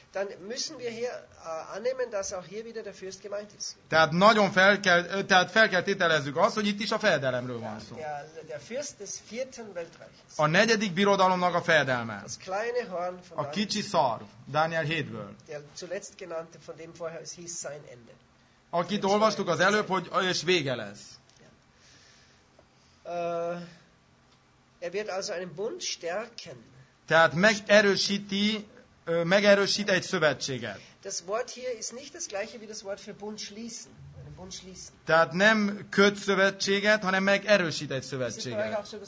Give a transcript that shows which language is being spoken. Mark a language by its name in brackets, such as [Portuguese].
[German] Dann müssen wir hier annehmen, dass auch hier wieder der Fürst gemeint ist. [Hungarian] Tehát nagyon fel kell, tehát fel kell tételezzük azt, hogy itt is a fejedelemről van szó. [German] Der Fürst des vierten Weltreichs. [Hungarian] A negyedik birodalomnak a fejedelme. [German] Das kleine Horn von [Hungarian] a kicsi szarv, Daniel 7-ből. [German] Der zuletzt genannte, von dem vorher es hieß sein Ende. [Hungarian] Akit olvastuk az előbb, hogy és vége lesz. [German] Er wird also einen Bund stärken. [Hungarian] Tehát megerősíti, megerősít egy szövetséget. [German] Das Wort hier ist nicht das gleiche wie das Wort für Bund schließen. [Hungarian] Tehát nem köt szövetséget, hanem megerősít egy szövetséget.